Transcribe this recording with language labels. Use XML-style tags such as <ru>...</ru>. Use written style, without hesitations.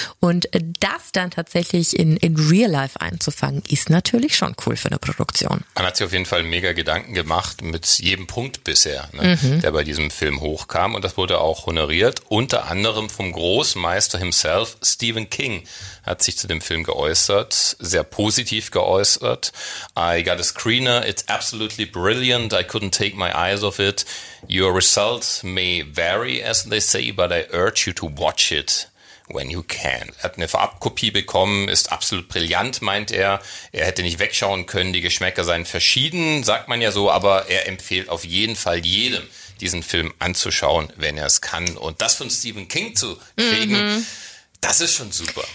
<de>Und das dann tatsächlich in Real Life einzufangen, ist natürlich schon cool für eine Produktion. Man hat sich auf jeden Fall mega Gedanken gemacht mit jedem Punkt bisher, ne, der bei diesem Film hochkam. Und das wurde auch honoriert, unter anderem vom Großmeister himself, Stephen King, hat sich zu dem Film geäußert, sehr positiv geäußert.</de> <en>I got a screener, it's absolutely brilliant, I couldn't take my eyes off it. Your results may vary, as they say, but I urge you to watch it when you can.</en> <de>Er hat eine Vorabkopie bekommen, ist absolut brillant, meint er. Er hätte nicht wegschauen können, die Geschmäcker seien verschieden, sagt man ja so, aber er empfiehlt auf jeden Fall jedem, diesen Film anzuschauen, wenn er es kann. Und das von Stephen King zu kriegen, das ist schon super.</de>